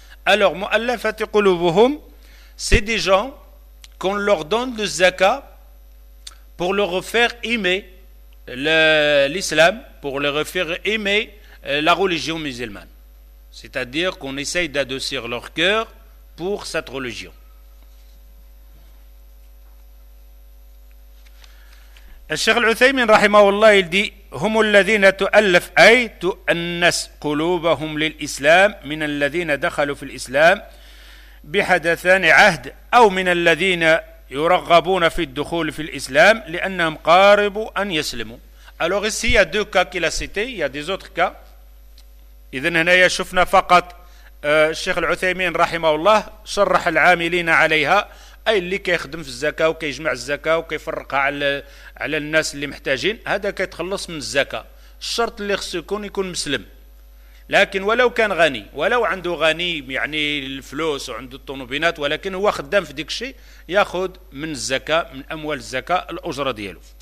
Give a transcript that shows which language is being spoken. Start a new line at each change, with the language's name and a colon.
French: Alors, mu'allafati qulubuhum, c'est des gens qu'on leur donne le zakat pour leur faire aimer l'islam, pour leur faire aimer la religion musulmane. C'est-à-dire qu'on essaye d'adoucir leur cœur pour cette religion.
Arabic: الشيخ العثيمين رحمه الله يقول هم الذين تؤلف أي تؤنس قلوبهم للإسلام من الذين دخلوا في الإسلام بحدثان عهد أو من الذين يرغبون في الدخول في الإسلام لأنهم قاربوا أن يسلموا.
French: Alors ici il y a deux cas qu'il a cité, il y a des autres cas.
Arabic: إذن هنا شفنا فقط الشيخ العثيمين رحمه الله شرح العاملين عليها أي اللي كيخدم في الزكاة وكيجمع الزكاة وكيفرقها على الناس اللي محتاجين هذا كيتخلص من الزكاة الشرط اللي خصو يكون مسلم لكن ولو كان غني ولو عنده غني يعني الفلوس وعنده الطنوبينات ولكن هو خدام في ديك شيء ياخذ من الزكاة من أموال الزكاة الأجرة دياله